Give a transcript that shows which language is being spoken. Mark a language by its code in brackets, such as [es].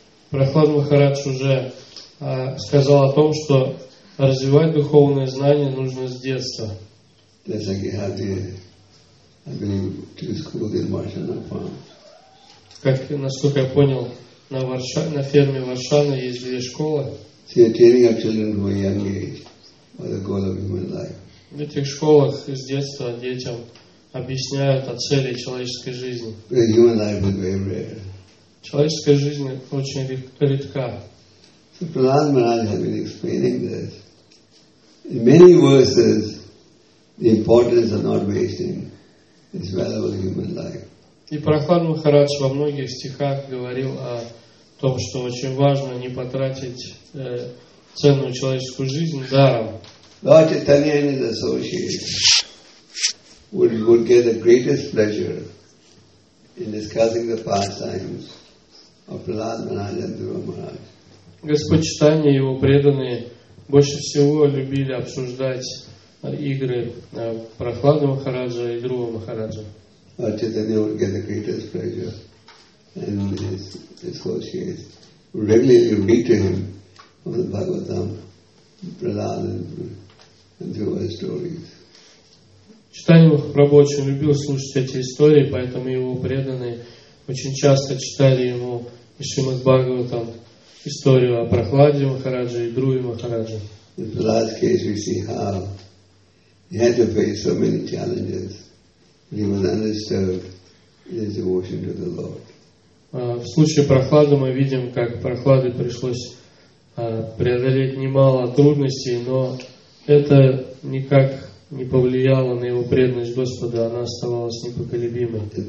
[ru] Прахлада Махарадж уже сказал о том, что развивать духовные знания нужно с детства. [en] Just like you have two schools in Varshana Farm. [ru] Как, насколько я понял, на ферме Варшана есть две школы. [en] See, training of children from a young age are the goal of human life. [ru] В этих школах с детства детям объясняют о цели человеческой жизни. [en] Human life is very rare. [ru] Человеческая жизнь очень редка. [en] So Prahlada Maharaj has been explaining this. In many verses, the importance of not wasting is valuable human life. [ru] И Прахлада Махарадж во многих стихах говорил о том, что очень важно не потратить ценную человеческую жизнь даром. [en] Lord Chaitanya and his associates would get the greatest pleasure in discussing the pastimes of Prahlada Maharaj and Dhruva Maharaj. [ru] Господь Чайтанья и его преданные больше всего любили обсуждать игры Прахлада Махараджа и Дхрува Махараджа. [en] Lord Chaitanya would get the greatest pleasure and his associates regularly read to him from the Bhagavatam, Prahlada and Dhruva stories. [ru] Чайтанья Махапрабху очень любил слушать эти истории, поэтому его преданные очень часто читали ему и Шримад Бхагаватам историю о Прахладе Махараджа и Друве Махараджа. [en] In the last case we see how he had to face so many challenges and he was undisturbed in his devotion to the Lord. [ru] В случае Прахлады мы видим, как Прахладе пришлось преодолеть немало трудностей, но это никак не повлияла на его преданность Господа, она оставалась непоколебимой.